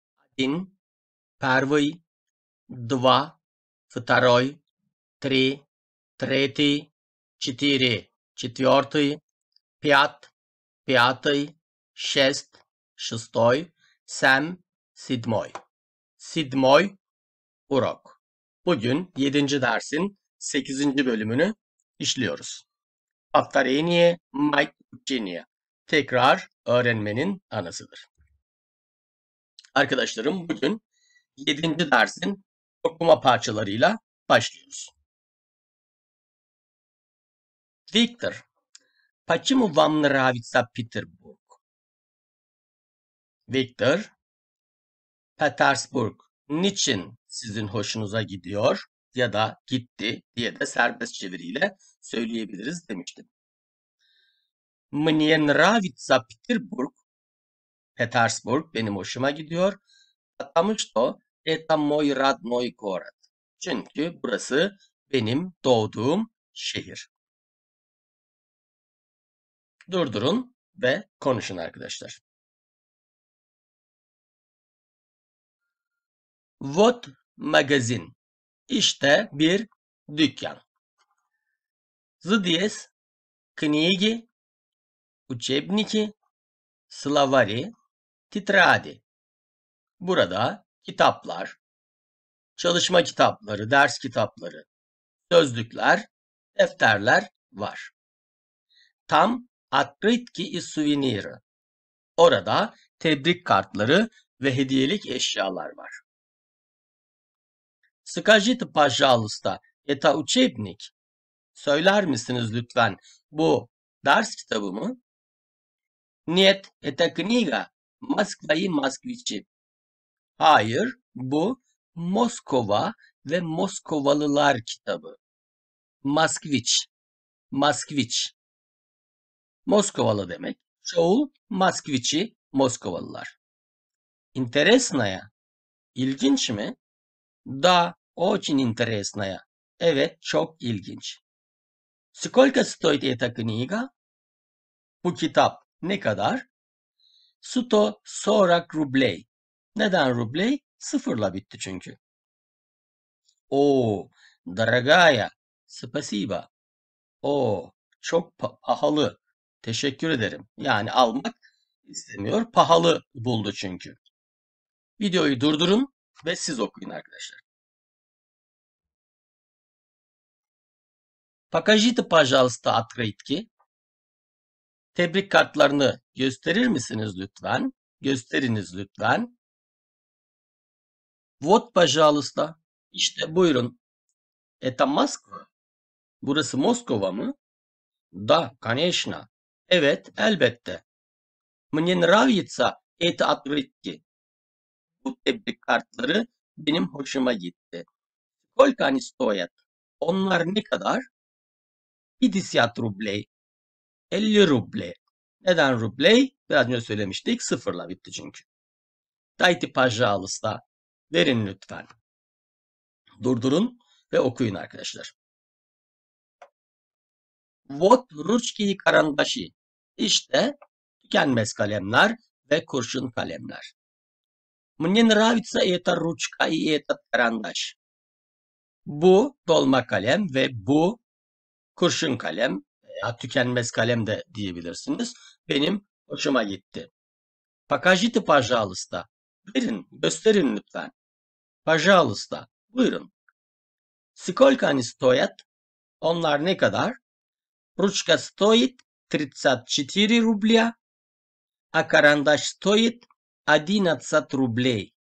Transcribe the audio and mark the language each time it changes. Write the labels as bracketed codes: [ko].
[ru] Один, первый, два, второй, три, третий, четыре, четвертый, пятый, шестой, семь, седьмой. Седьмой урок. [tr] Bugün 7. dersin 8. bölümünü işliyoruz. [ru] Повторение мать учения. [tr] Tekrar öğrenmenin anasıdır. Arkadaşlarım, bugün 7. dersin okuma parçalarıyla başlıyoruz. [ru] Виктор, почему вам нравится Петербург? [tr] Виктор, Петербург niçin sizin hoşunuza gidiyor ya da gitti diye de serbest çeviriyle söyleyebiliriz demiştim. [ru] Мне нравится Петербург. [tr] Петербург benim hoşuma gidiyor. [ru] Потому что это мой родной город. [tr] Çünkü burası benim doğduğum şehir. Durdurun ve konuşun arkadaşlar. [ru] Вот магазин. [tr] İşte bir dükkan. [ru] Здесь книги. Учебники, словари, тетради. [tr] Burada kitaplar, çalışma kitapları, ders kitapları, sözlükler, defterler var. [ru] Там открытки и сувениры. [tr] Orada tebrik kartları ve hediyelik eşyalar var. [ru] Скажите, пожалуйста, это учебник? [tr] Söyler misiniz lütfen bu ders kitabı mı? [ru] Нет, это книга «Москва и москвичи». [tr] Hayır, bu Moskova ve Moskovalılar kitabı. [ru] Москвич, москвич. [tr] Moskovalı demek. Çoğul москвичи, Moskovalılar. Интересная, ilginç mi? [ru] Да, очень интересная. [tr] Evet, çok ilginç. [ru] Сколько стоит эта книга? [tr] Bu kitap. Ne kadar? 140 rublei. Neden rublei? Sıfırla bitti çünkü. [ru] Oo, дорогая, спасибо. [tr] Oo, çok pahalı. Teşekkür ederim. Yani almak istemiyor, pahalı buldu çünkü. Videoyu durdurun ve siz okuyun arkadaşlar. [ru] Покажите, пожалуйста, открытки. [tr] Tebrik kartlarını gösterir misiniz lütfen? Gösteriniz lütfen. [ru] Вот, пожалуйста. [tr] İşte buyurun. [ru] Это Москва. [tr] Burası Moskova mı? [ru] Да, конечно. [tr] Evet, elbette. [ru] Мне нравится эти открытки. [tr] Bu tebrik kartları benim hoşuma gitti. [ru] Сколько они стоят? [tr] Onlar ne kadar? [ru] 50 рублей. 50 рубле. [tr] Neden rubley? Biraz önce söylemiştik. Sıfırla bitti çünkü. [ru] Дайте, пожалуйста. [tr] Verin lütfen. Durdurun ve okuyun arkadaşlar. [ru] Вот ручки и карандаши. [tr] İşte tükenmez kalemler ve kurşun kalemler. [ru] Мне нравится эта ручка и этот карандаш. [tr] Bu dolma kalem ve bu kurşun kalem. Ya tükenmez kalem de diyebilirsiniz. Benim hoşuma gitti. [ru] Покажите, пожалуйста. [tr] Verin, gösterin lütfen. [ru] Пожалуйста, buyurun. Сколько они стоят? [tr] Onlar ne kadar? [ru] Ручка стоит 34 рубля, а карандаш стоит 11 рублей.